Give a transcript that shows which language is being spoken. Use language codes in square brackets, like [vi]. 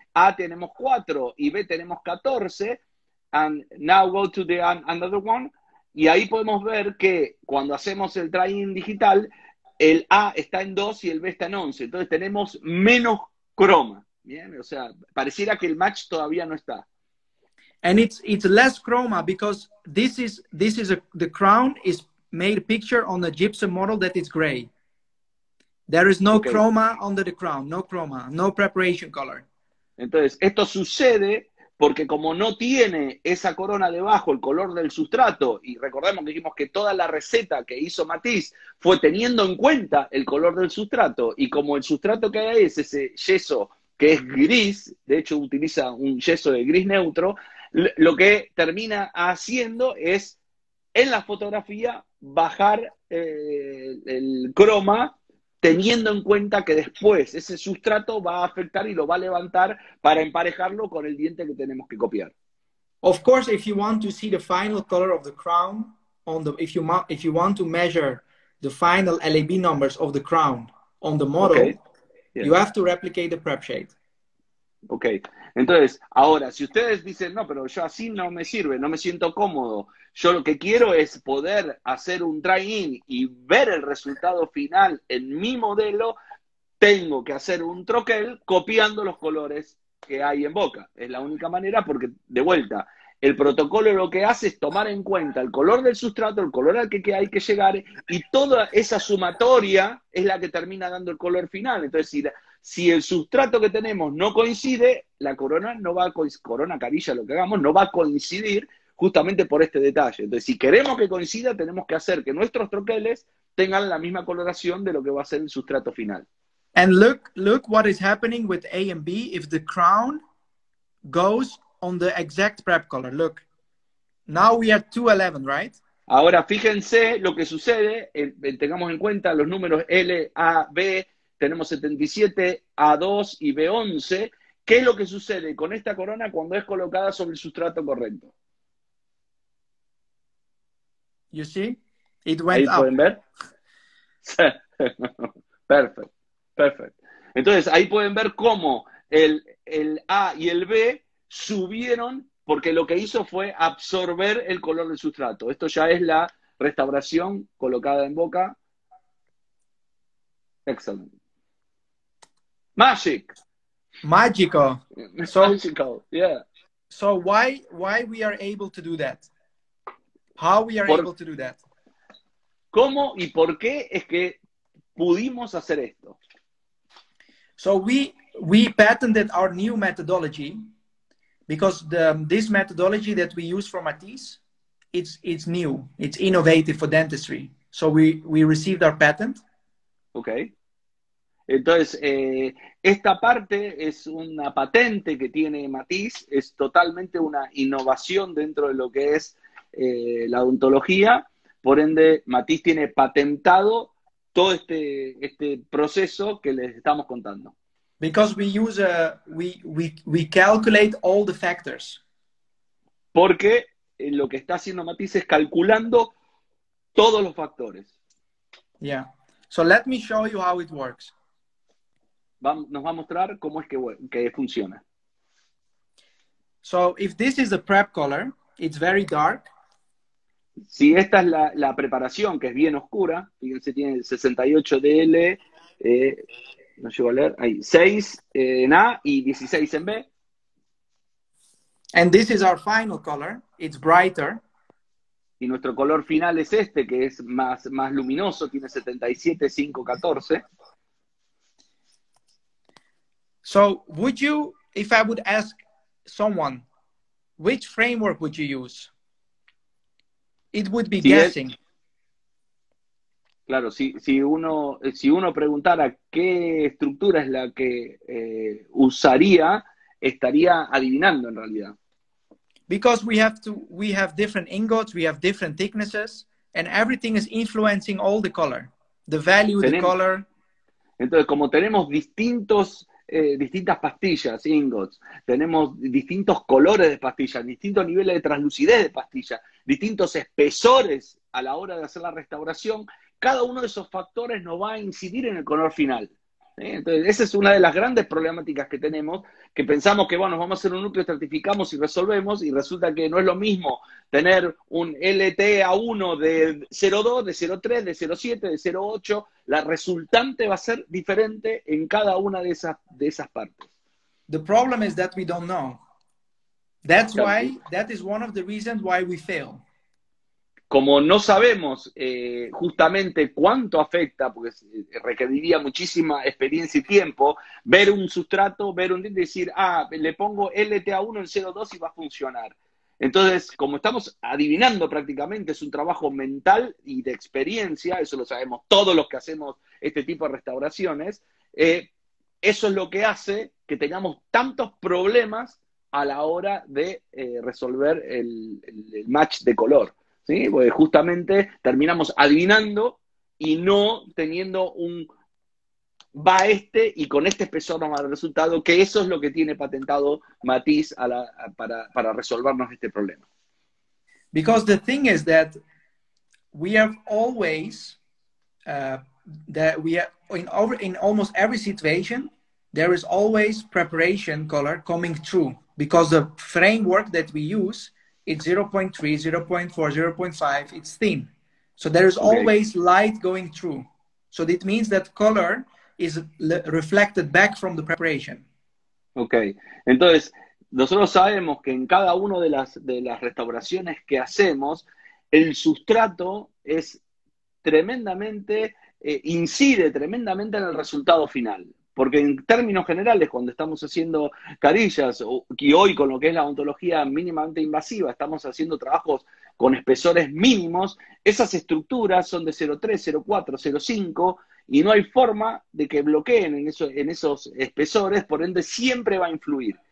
[es] A tenemos 4 y B tenemos 14. [en] And now go to the another one. [es] Y ahí podemos ver que cuando hacemos el try-in digital, el A está en 2 y el B está en 11. Entonces tenemos menos croma. Bien, o sea, pareciera que el match todavía no está. [en] And it's less chroma because this is a, the crown is made picture on a gypsum model that is gray. There is no chroma under the crown, no chroma, no preparation color. [es] Entonces, esto sucede porque como no tiene esa corona debajo, el color del sustrato, y recordemos que dijimos que toda la receta que hizo Matisse fue teniendo en cuenta el color del sustrato, y como el sustrato que hay es ese yeso que es gris, de hecho utiliza un yeso de gris neutro, lo que termina haciendo es, en la fotografía, bajar el croma, teniendo en cuenta que después ese sustrato va a afectar y lo va a levantar para emparejarlo con el diente que tenemos que copiar. [en] Of course, if you want to see the final color of the crown, if you want to measure the final LAB numbers of the crown on the model, okay. Yes. You have to replicate the prep shade. Okay. [es] Entonces, ahora, si ustedes dicen, no, pero yo así no me sirve, no me siento cómodo, yo lo que quiero es poder hacer un try-in y ver el resultado final en mi modelo, tengo que hacer un troquel copiando los colores que hay en boca. Es la única manera porque, de vuelta, el protocolo lo que hace es tomar en cuenta el color del sustrato, el color al que hay que llegar, y toda esa sumatoria es la que termina dando el color final. Entonces, si el sustrato que tenemos no coincide, la corona no va a corona, carilla, lo que hagamos, no va a coincidir justamente por este detalle. Entonces, si queremos que coincida, tenemos que hacer que nuestros troqueles tengan la misma coloración de lo que va a ser el sustrato final. [en] And look what is happening with A and B if the crown goes on the exact prep color. Look. Now we are 211, right? [es] Ahora fíjense lo que sucede, tengamos en cuenta los números L, A, B. Tenemos 77, A2 y B11. ¿Qué es lo que sucede con esta corona cuando es colocada sobre el sustrato correcto? [en] You see? It went up. [es] ¿Pueden ver? [en] Perfect. Perfect. [es] Entonces, ahí pueden ver cómo el A y el B subieron porque lo que hizo fue absorber el color del sustrato. Esto ya es la restauración colocada en boca. [en] Excellent. Magic. Magical. So, magical, yeah. So why we are able to do that? How we are able to do that? [es] ¿Cómo y por qué es que pudimos hacer esto? [en] So we patented our new methodology because this methodology that we use for Matisse, it's new. It's innovative for dentistry. So we received our patent. Okay. [es] Entonces, esta parte es una patente que tiene Matisse, es totalmente una innovación dentro de lo que es la odontología. Por ende, Matisse tiene patentado todo este proceso que les estamos contando. [en] Because we use we calculate all the factors. [es] Porque lo que está haciendo Matisse es calculando todos los factores. [en] Yeah. So let me show you how it works. [es] nos va a mostrar cómo es que funciona. [en] So if this is a prep color, it's very dark. [es] Si esta es la preparación, que es bien oscura, fíjense, tiene 68 DL, no llego a leer, ahí, 6 en A y 16 en B. [en] And this is our final color, it's brighter. [es] Y nuestro color final es este, que es más luminoso, tiene 77.514. [en] So, would you, if I would ask someone, which framework would you use? It would be guessing. [es] Claro, si uno preguntara qué estructura es la que usaría, estaría adivinando en realidad. [en] Because we have different ingots, we have different thicknesses, and everything is influencing all the color, the value, the color. [es] Entonces, como tenemos distintas pastillas, ingots, tenemos distintos colores de pastillas, distintos niveles de translucidez de pastillas, distintos espesores a la hora de hacer la restauración, cada uno de esos factores nos va a incidir en el color final. Entonces, esa es una de las grandes problemáticas que tenemos, que pensamos que, bueno, vamos a hacer un núcleo, estratificamos y resolvemos, y resulta que no es lo mismo tener un LTA1 de 0.2, de 0.3, de 0.7, de 0.8, la resultante va a ser diferente en cada una de esas partes. [en] The problem is that we don't know. That's why, that is one of the reasons why we fail. [es] Como no sabemos justamente cuánto afecta, porque requeriría muchísima experiencia y tiempo, ver un sustrato, ver un diente y decir, ah, le pongo LTA1 en 0.2 y va a funcionar. Entonces, como estamos adivinando prácticamente, es un trabajo mental y de experiencia, eso lo sabemos todos los que hacemos este tipo de restauraciones, eso es lo que hace que tengamos tantos problemas a la hora de resolver el match de color. Sí, pues justamente terminamos adivinando y no teniendo un va este y con este espesor nos va el resultado, que eso es lo que tiene patentado Matisse para resolvernos este problema. [en] Because the thing is that we have always that we are in almost every situation there is always preparation color coming through because the framework that we use it's 0.3, 0.4, 0.5, it's thin. So there is always light going through. So that means that color is reflected back from the preparation. Okay. [es] Entonces, nosotros sabemos que en cada una de las restauraciones que hacemos, el sustrato es tremendamente, incide tremendamente en el resultado final. Porque en términos generales, cuando estamos haciendo carillas, y hoy con lo que es la odontología mínimamente invasiva, estamos haciendo trabajos con espesores mínimos, esas estructuras son de 0.3, 0.4, 0.5, y no hay forma de que bloqueen en esos espesores, por ende siempre va a influir.